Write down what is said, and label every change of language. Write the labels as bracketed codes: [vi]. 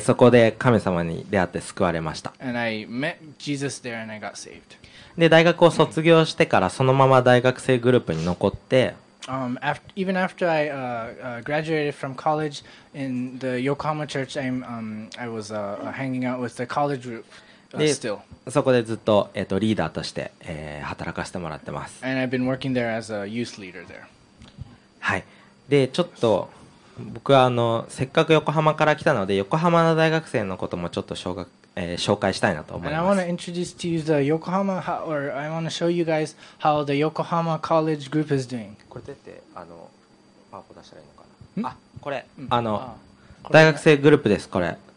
[ja] そこで神様に出会って救われました。 [en] And I met Jesus there and I got saved. [ja] で大学を卒業してからそのまま大学生グループに残って、 [en] even after I graduated from college in the Yokohama church, I was hanging out with the college group. [ja] でそこでずっと、リーダーとして、働かせてもらってます。 [en] And I've been working there as a youth leader there. [ja] はい。でちょっと僕はせっかく横浜から来たので横浜の大学生のこともちょっと紹介したいなと思います。 [en] And I want to introduce to you the Yokohama how, or I want to show you guys how the Yokohama College group is doing. [ja] これってパワポ出したらいいのかな。あ、これ大学生グループですこれ。